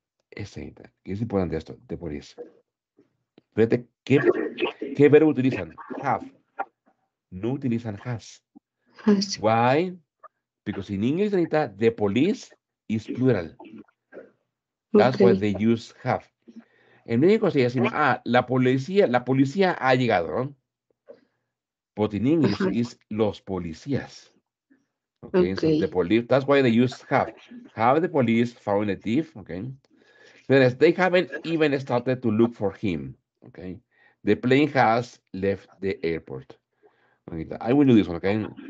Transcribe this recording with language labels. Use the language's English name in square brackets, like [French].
[Spanish] Ese, ¿qué es importante esto? [English] The police. [Spanish] Fíjate, ¿qué verbo utilizan? [English] Have. [Spanish] No utilizan has. [English] Why? Because in English, Anita, the police is plural. That's okay. Why they use have. [Spanish] En México se dice, la policía ha llegado, ¿no? [English] But in English, is [Spanish] los policías. [English] Okay, okay. So the police, that's why they use have. Have the police found the thief, okay? Whereas they haven't even started to look for him, okay? The plane has left the airport. I will do this one, okay?